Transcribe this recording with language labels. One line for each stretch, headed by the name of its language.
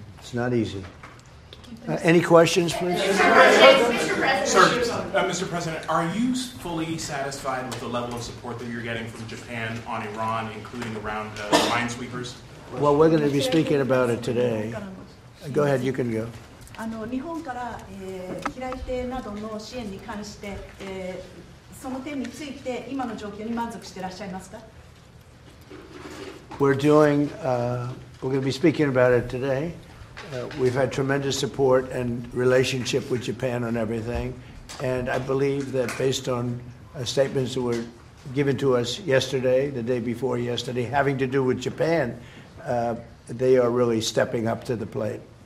English: It's not easy. Any questions, please? Mr. President, are you fully satisfied with the level of support that you're getting from Japan on Iran, including around minesweepers? Well, we're going to be speaking about it today. Go ahead, you can go.
Japanese: 日本から、飛来艇などの支援に関して、その点について今の状況に満足していらっしゃいますか？
English: We're going to be speaking about it today. We've had tremendous support and relationship with Japan on everything. And I believe that based on statements that were given to us yesterday, the day before yesterday, having to do with Japan, they are really stepping up to the plate.